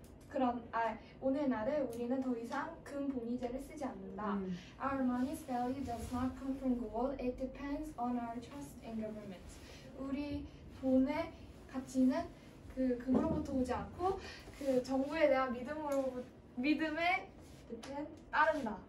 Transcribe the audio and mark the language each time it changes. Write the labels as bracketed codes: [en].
[ko] 그런 아 오늘날에 우리는 더 이상 금 본위제를 쓰지 않는다. [en] Our money's value does not come from gold. It depends on our trust in government. [ko] 우리 돈의 가치는 그 금으로부터 오지 않고 그 정부에 대한 믿음으로 믿음에 depend 따른다.